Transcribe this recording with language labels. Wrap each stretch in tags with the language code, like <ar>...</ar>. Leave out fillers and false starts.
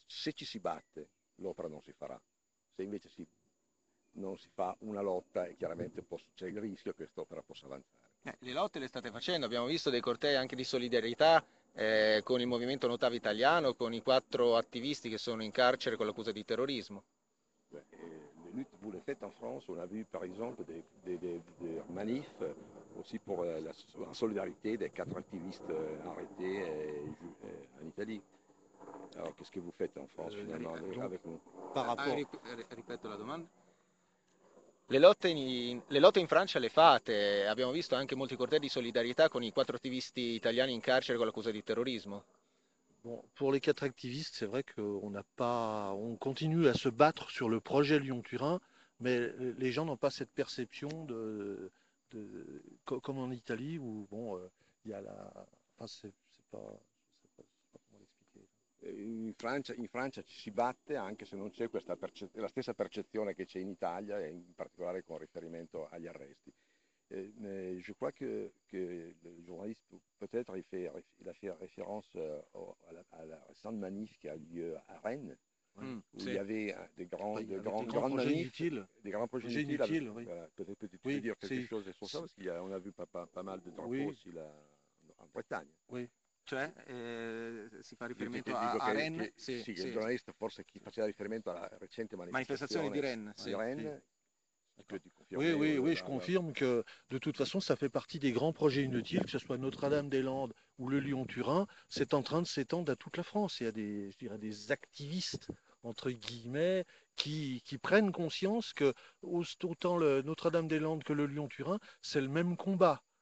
<it>Se ci si batte l'opera non si farà, se invece non si fa una lotta e chiaramente c'è il rischio che quest'opera possa avanzare. Le lotte le state facendo, abbiamo visto dei cortei anche di solidarietà con il movimento Notav italiano, con i quattro attivisti che sono in carcere con l'accusa di terrorismo.</it> <fr>Le lutte vous le faites en France, on a vu par exemple des manifs aussi pour la solidarité des quatre activistes arrêtés en Italie. Alors qu'est-ce que vous faites en France finalement avec nous?</fr> <it>Ripeto la domanda. Le lotte in Francia le fate, abbiamo visto anche molti cortei di solidarietà con i quattro attivisti italiani in carcere con l'accusa di terrorismo.</it> <fr>Bon, pour les quatre activistes, c'est vrai que on continue à se battre sur le projet Lyon-Turin, mais les gens n'ont pas cette perception de comme en Italie où bon, il y a la enfin c'est pas comment l'expliquer.</fr> <it>In Francia ci si batte anche se non c'è questa la stessa percezione che c'è in Italia, e in particolare con riferimento agli arresti.</it> <fr>Je crois que le journaliste peut-être il a fait référence à la récente manif qui a lieu à Rennes, où il y avait des grands projets inutiles. Oui. Voilà, peux-tu oui, dire quelque chose sur ça, parce qu'on a vu pas mal de drapeaux aussi en Bretagne. Oui.</fr> <it>Cioè, si fa riferimento a Rennes? Sì, il giornalista forse chi faceva riferimento alla recente manifestazione di Rennes.</it> <fr>Oui, je confirme que de toute façon, ça fait partie des grands projets inutiles, que ce soit Notre-Dame-des-Landes ou le Lyon-Turin, c'est en train de s'étendre à toute la France. Il y a des activistes, entre guillemets, qui prennent conscience que autant le Notre-Dame-des-Landes que le Lyon-Turin, c'est le même combat.</fr>